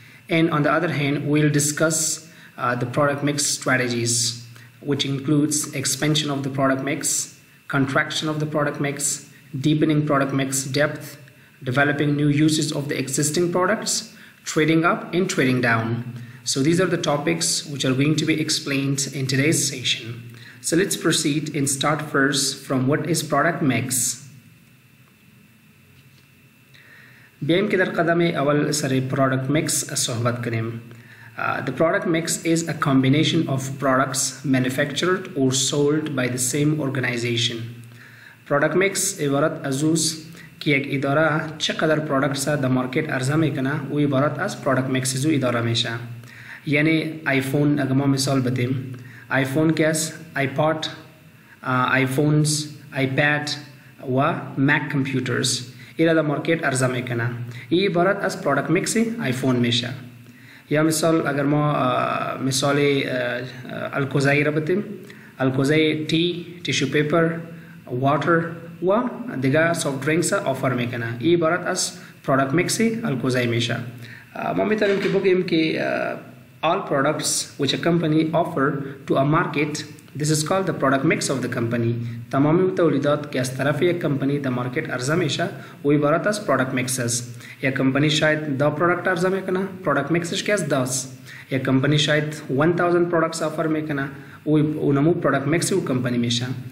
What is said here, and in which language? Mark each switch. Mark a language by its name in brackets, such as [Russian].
[English] And on the other hand, we'll discuss the product mix strategies, which includes expansion of the product mix, contraction of the product mix, deepening product mix depth, developing new uses of the existing products, trading up and trading down. So these are the topics which are going to be explained in today's session. So let's proceed and start first from what is product mix. [Persian] بیایم که در قدم اول سر product mix صحبت کنیم. [English] The product mix is a combination of products manufactured or sold by the same organization. [Persian] Product mix عبارت از اوست که یک اداره چقدر products در مارکت عرضه میکنه و عبارت از product mix از او اداره میشه. یعنی آیفون اگر ما مثال بدیم، آیفون کس، آیپاد، آیفونز، آیپاد و مک کمپیوترز ایره در مارکت عرضه میکنه. ای عبارت از product mix آیفون میشه. یا مثال اگر ما مثال الکوزای را بتیم، الکوزای تی، تیشو پیپر، واتر و دیگر سافت درینکس آفر میکنه. ای عبارت از product mix الکوزای میشه. ما میتونیم که بگیم که [English] all products which a company offer to a market, this is called the product mix of the company. [Persian] تمامی تولیدات که از طرف یک کمپنی در مارکت عرضه میشه او عبارت از product mix است. یک کمپنی شاید 10 product عرضه میکنه، product mixش که از 10. یک کمپنی شاید 1000 products آفر میکنه، او نمو product mix او کمپنی میشه.